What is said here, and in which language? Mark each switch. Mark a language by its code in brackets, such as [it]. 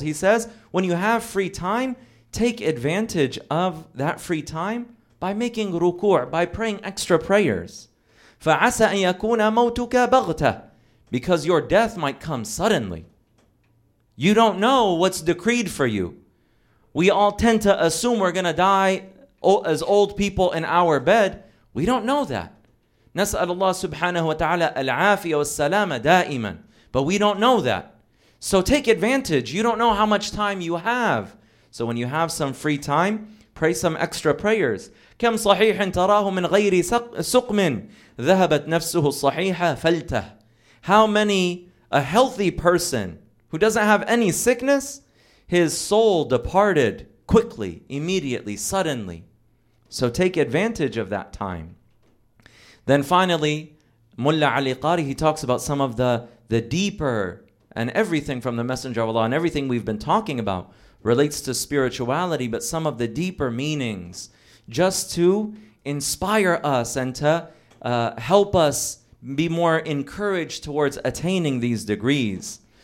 [en] He says, when you have free time, take advantage of that free time by making ruku', by praying extra prayers. [ar] فَعَسَىٰ أَن يَكُونَ مَوْتُكَ بَغْتَةً. [en] Because your death might come suddenly. You don't know what's decreed for you. We all tend to assume we're going to die as old people in our bed. We don't know that. [ar] نسأل الله سبحانه وتعالى العافية والسلامة دائما. [en] But we don't know that. So take advantage. You don't know how much time you have. So when you have some free time, Pray some extra prayers. [ar] كم صحيح تراه من غير سقم ذهبت نفسه الصحيحة فلته. [en] How many a healthy person who doesn't have any sickness, his soul departed quickly, immediately, suddenly. So take advantage of that time. Then finally, Mulla Ali Qari, he talks about some of the deeper and everything from the Messenger of Allah and everything we've been talking about relates to spirituality, but some of the deeper meanings just to inspire us and to help us be more encouraged towards attaining these degrees.